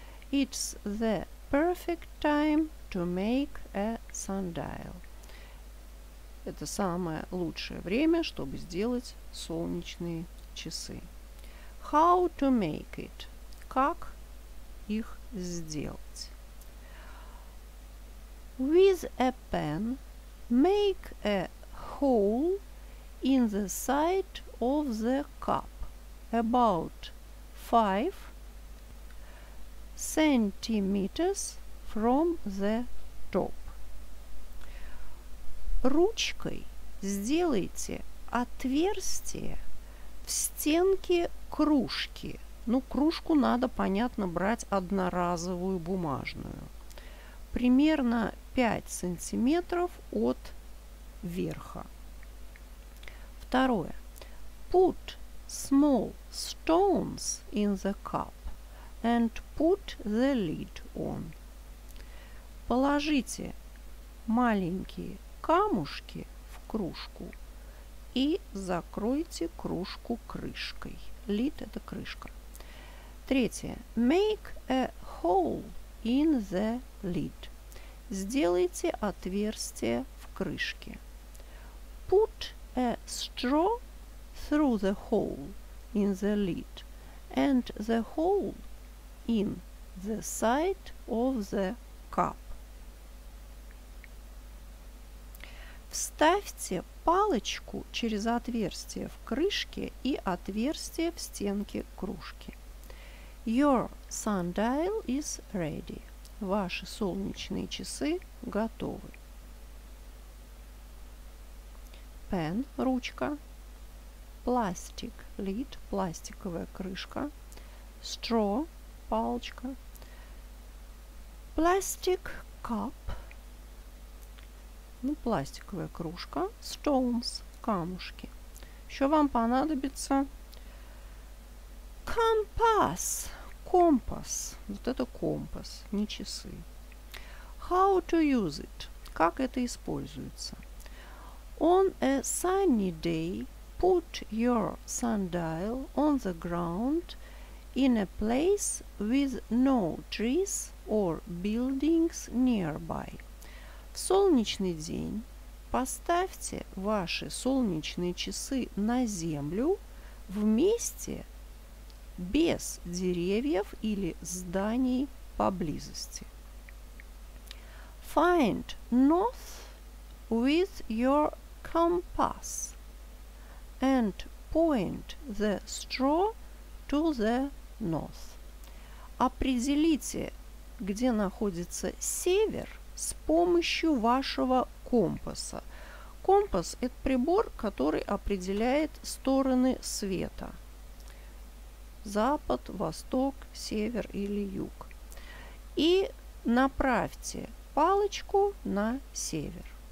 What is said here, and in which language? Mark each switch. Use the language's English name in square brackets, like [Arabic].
[English] It's the perfect time to make a sundial. [Russian] Это самое лучшее время, чтобы сделать солнечные часы. [English] How to make it? Как их сделать? With a pen, make a hole in the side of the cup. About 5 centimeters from the top. [Russian] Ручкой сделайте отверстие в стенке кружки. Ну, кружку надо, понятно, брать одноразовую бумажную. Примерно 5 сантиметров от верха. Второе. Put small stones in the cup and put the lid on. Положите маленькие камушки в кружку и закройте кружку крышкой. [English] Lid это крышка. Третье. Make a hole in the lid. [Russian] Сделайте отверстие в крышке. [English] Put a straw through the hole in the lid and the hole in the side of the cup. [Russian] Вставьте палочку через отверстие в крышке и отверстие в стенке кружки. [English] Your sundial is ready. [Russian] Ваши солнечные часы готовы. [English] Pen, ручка. Plastic lid, пластиковая крышка. Straw, палочка. Plastic cup. [Russian] Ну, пластиковая кружка. Stones. Камушки. Еще вам понадобится компас. Компас. Вот это компас, не часы. How to use it? Как это используется? [English] On a sunny day, put your sundial on the ground in a place with no trees or buildings nearby. [Russian] В солнечный день поставьте ваши солнечные часы на землю в месте без деревьев или зданий поблизости. [English] Find north with your compass and point the straw to the north. [Russian] Определите, где находится север с помощью вашего компаса. Компас – это прибор, который определяет стороны света. Запад, восток, север или юг. И направьте палочку на север.